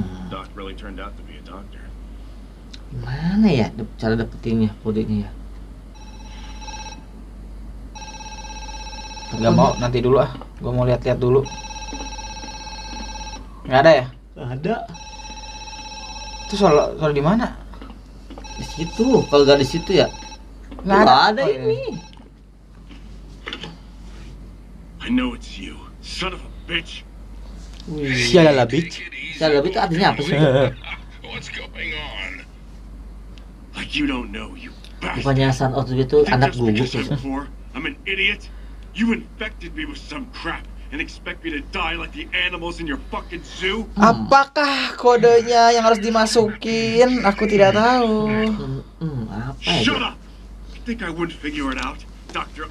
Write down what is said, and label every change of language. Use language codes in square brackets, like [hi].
[en] Doc really turned out to be a doctor. [id] Gimana ya cara dapetinnya kodenya ya? Gak mau, nanti dulu ah. Gua mau lihat-lihat dulu. Gak ada ya? Gak ada. Itu soal di mana? Di situ, kalau gak di situ ya. Gak ada, ada ini. [en] I know it's you, son of a bitch. Sialala bitch. [id] Sialala bitch itu artinya apa sih? [en] What's going on? Like you don't know, you bastard. [id] Bukannya San Otto itu anak gugus ya? [en] I'm an idiot. You infected me with some crap and expect me to die like the animals in your fucking zoo? [id] Apakah kodenya yang harus dimasukin? Aku tidak tahu. [en] Shut up! You think I wouldn't figure it out, Dr.